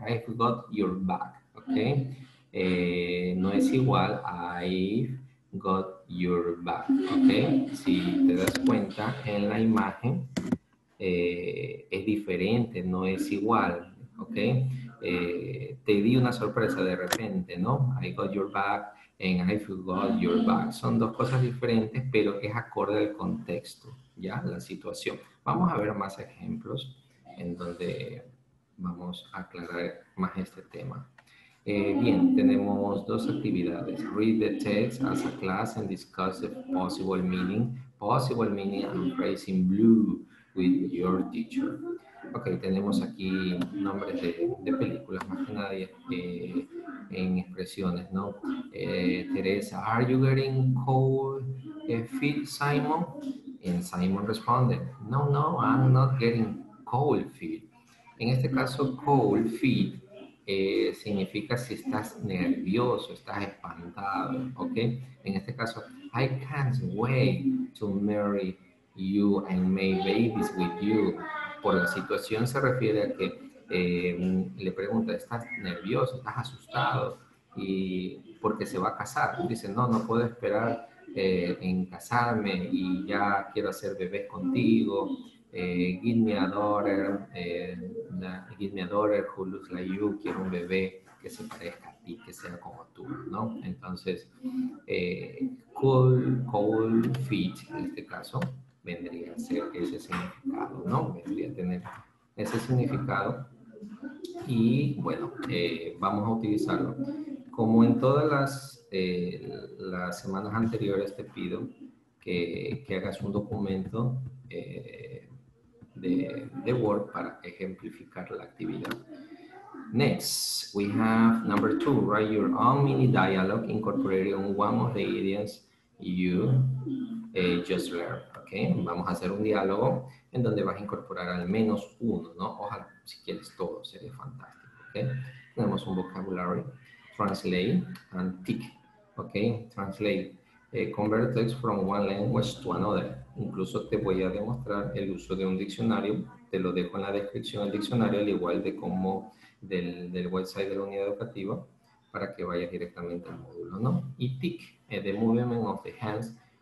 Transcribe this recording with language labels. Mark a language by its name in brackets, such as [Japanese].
[English] I've got your back, ¿ok? [Spanish] No es igual a [English] I've got your back, [Spanish] ¿ok? Si te das cuenta, en la imagen es diferente, no es igual, ¿ok? Te di una sorpresa de repente, ¿no? [English] I got your back and I've got your back. [Spanish] Son dos cosas diferentes, pero es acorde al contexto, ¿ya? La situación. Vamos a ver más ejemplos en donde vamos a aclarar más este tema. Bien, tenemos dos actividades. [English] Read the text as a class and discuss the possible meaning and phrasing blue with your teacher. [Spanish] Ok, tenemos aquí nombres de películas, más que nadie, en expresiones, ¿no? [English] Teresa, are you getting cold feet, Simon? And Simon responded, no, no, I'm not getting cold feet. [Spanish] En este caso, cold feet, significa si estás nervioso, estás espantado, ¿ok? En este caso, [English] I can't wait to marry you and make babies with you. [Spanish] Por la situación se refiere a que le pregunta, ¿estás nervioso? ¿Estás asustado? Y porque se va a casar. Dice, no, no puedo esperar en casarme y ya quiero hacer bebés contigo. [English] Give me a daughter who looks like you. [Spanish] Quiero un bebé que se parezca a ti, que sea como tú, ¿no? Entonces, cold feet, en este caso, vendría a ser ese significado, ¿no? Vendría a tener ese significado. Y, bueno, vamos a utilizarlo. Como en todas las semanas anteriores, te pido que hagas un documento de Word para ejemplificar la actividad. [English] Next, we have number 2. Write your own mini dialogue incorporating one of the ideas you just learned. Okay. [Spanish] Vamos a hacer un diálogo en donde vas a incorporar al menos uno, ¿no? Ojalá, si quieres todo, sería fantástico, ¿ok? Tenemos un vocabulary, translate and tick, ¿ok? [English] Translate, convert text from one language to another. [Spanish] Incluso te voy a demostrar el uso de un diccionario, te lo dejo en la descripción del diccionario, al igual de como del website de la unidad educativa, para que vayas directamente al módulo, ¿no? Y tick, [English] the movement of the hands